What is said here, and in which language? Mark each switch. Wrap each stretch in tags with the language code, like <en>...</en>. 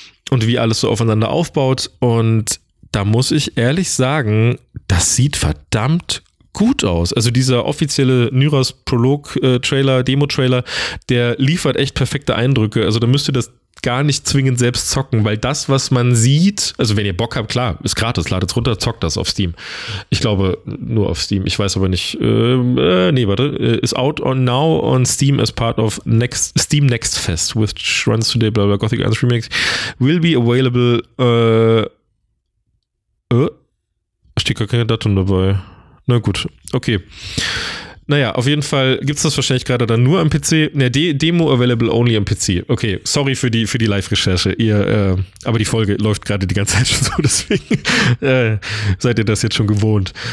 <de>Und wie alles so aufeinander aufbaut. Und da muss ich ehrlich sagen, das sieht verdammt gut aus. Also dieser offizielle Nyras Prolog Trailer, Demo Trailer, der liefert echt perfekte Eindrücke. Also da müsst ihr das gar nicht zwingend selbst zocken, weil das, was man sieht, also wenn ihr Bock habt, klar, ist gratis, ladet's runter, zockt das auf Steam. Ich glaube, nur auf Steam, ich weiß aber nicht.</de> <en>Ist out on now on Steam as part of Steam Next Fest, which runs today, blah, blah, Gothic Arms Remake, will be available.</en> <de>Steht gar kein Datum dabei. Na gut, okay. Naja, auf jeden Fall gibt's das wahrscheinlich gerade dann nur am PC. Ne, Demo available only am PC. Okay, sorry für die Live-Recherche. Aber die Folge läuft gerade die ganze Zeit schon so, deswegen seid ihr das jetzt schon gewohnt.</de>